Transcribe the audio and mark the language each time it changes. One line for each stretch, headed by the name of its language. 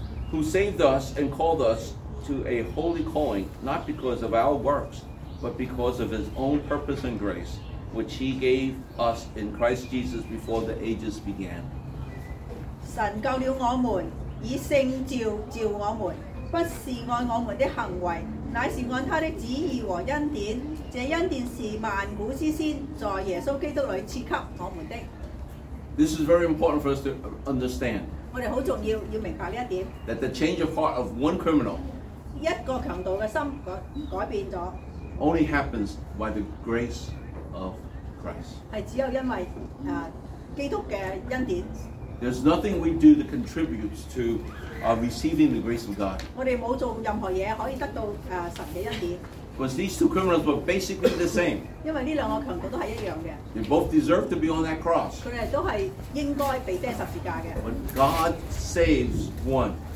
English: who saved us and called us to a holy calling, not because of our works, but because of his own purpose and grace, which he gave us in Christ Jesus before the ages began.
Chinese: 神救了我们，以圣召召我们，不是按我们的行为，乃是按他的旨意和恩典。这恩典是万古之先，在耶稣基督里赐给我们的。
English: This is very important for us to understand.
Chinese: 我们很重要，要明白这一点。
English: That the change of heart of one criminal,
Chinese: 一个强盗的心改变了。
English: Only happens by the grace of Christ.
Chinese: 是只有因为基督的恩典。
English: There's nothing we do that contributes to receiving the grace of God. Because these two criminals were basically the same. They both deserve to be on that cross. But God saves one.